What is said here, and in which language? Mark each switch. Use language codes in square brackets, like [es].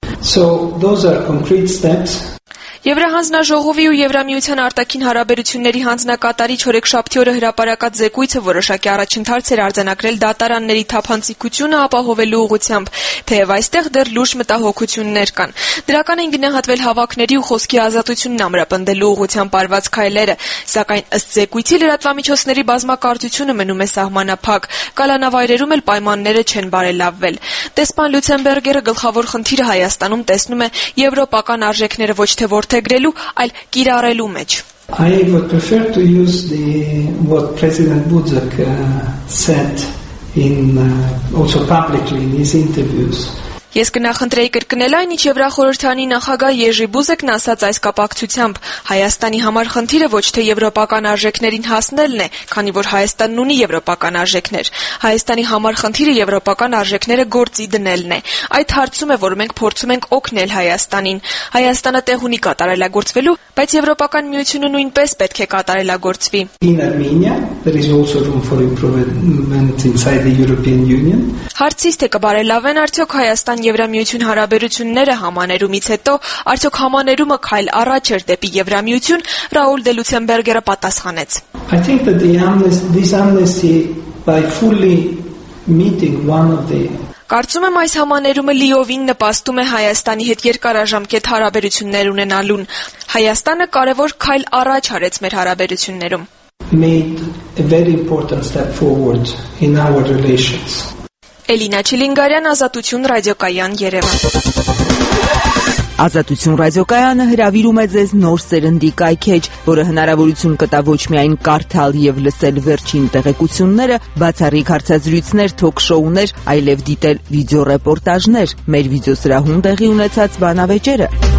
[en] So those are concrete steps. [hy] Եվրահանձնաժողովի ու Եվրամիության արտաքին հարաբերությունների հանձնակատարիչ հորեքշաբթի օրը հրապարակած զեկույցը որոշակի առաջընթաց էր արձանագրել դատարանների թափանցիկությունը ապահովելու ուղղությամբ, թեև այստեղ դեռ լուրջ մտահոգություններ կան։ Դրական էին գնահատվել հավաքների ու խոսքի ազատությունն ամրապնդելու ուղղությամբ արված քայլերը, սակայն ըստ զեկույցի լրատվամիջոցների բազմակարծությունը մնում է սահմանափակ, կալանավայրերում էլ պայմանները չեն բարելավվել։ Դեսպան Լյուցենբերգերը գլխավոր խնդիրը Հայաստանում տեսնում է եվրոպական արժեքները ոչ թե որթեգրելու, այլ կիրառելու մեջ։ [en] I would prefer to use the what President Budzak said in also publicly in his interviews. [hy] Ես կնախընտրեի կրկնել այն, ինչ Եվրախորհրդանի նախագահ Յերժի Բուզեկն ասաց այս կապակցությամբ. Հայաստանի համար խնդիրը ոչ թե եվրոպական արժեքներին հասնելն է, քանի որ Հայաստանն ունի եվրոպական արժեքներ. Հայաստանի համար խնդիրը եվրոպական արժեքները գործի դնելն է։ Այդ հարցում է, որ մենք փորձում ենք օգնել Հայաստանին։ Հայաստանը տեղ ունի կատարելագործվելու, բայց Եվրոպական միությունը նույնպես պետք է կատարելագործվի։ Հարցիս թե կբարելավեն արդյոք Հայաստան Եվրամիություն հարաբերությունները համաներումից հետո, արդյոք համաներումը քայլ առաջ էր դեպի Եվրամիություն, Ռաուլ դե Լյուցենբերգերը պատասխանեց. [en] I think that this amnesty by fully meeting one of the [hy] Կարծում եմ այս համաներումը լիովին նպաստում է Հայաստանի հետ երկարաժամկետ հարաբերություններ ունենալուն։ Հայաստանը կարևոր քայլ առաջ արեց մեր հարաբերություններում։ [en] Made a very important step forward in our relations. [hy] Էլինա Չիլինգարյան, Ազատություն ռադիոկայան, Երևան։ Ազատություն ռադիոկայանը հրավիրում է ձեզ նոր սերնդի կայքեջ, որը հնարավորություն կտա ոչ միայն կարդալ եւ լսել վերջին տեղեկությունները, բացառիկ հարցազրույցներ, թոքշոուներ, այլև դիտել վիդեոռեպորտաժներ, մեր վիդեոսրահում տեղի ունեցած բանավեճերը։